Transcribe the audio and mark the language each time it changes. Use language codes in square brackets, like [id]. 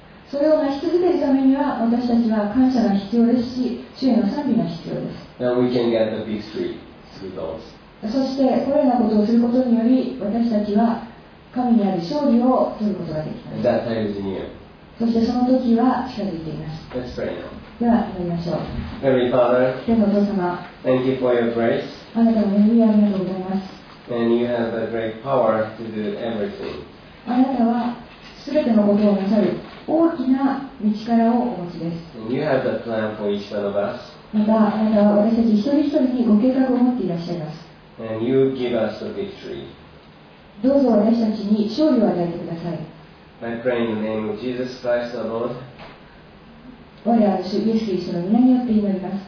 [ja] それを成し続けるためには私たちは感謝が必要ですし、主への賛美が必要です。 [en] And we can get the victory through those. [ja] そしてこれらのことをすることにより私たちは神にある勝利を取ることができます。 [en] That time is near. [ja] そしてその時は近づいています。 [en] Let's pray now. [ja] では祈りましょう。 [en] Heavenly Father, [ja] 天のお父様、 [en] Thank you for your grace. [ja] あなたの恵みありがとうございます。 [en] And you have a great power to do everything. [ja] あなたはすべてのことをなさる大きな御力をお持ちです。 [en] And you have the plan for each one of us. [ja] またあなたは私たち一人一人にご計画を持っていらっしゃいます。 [en] And you give us the victory. [ja] どうぞ私たちに勝利を与えてください。 [en] I pray in the name of Jesus Christ, our Lord. [ja] 我らの主イエス・キリストの皆によって祈ります。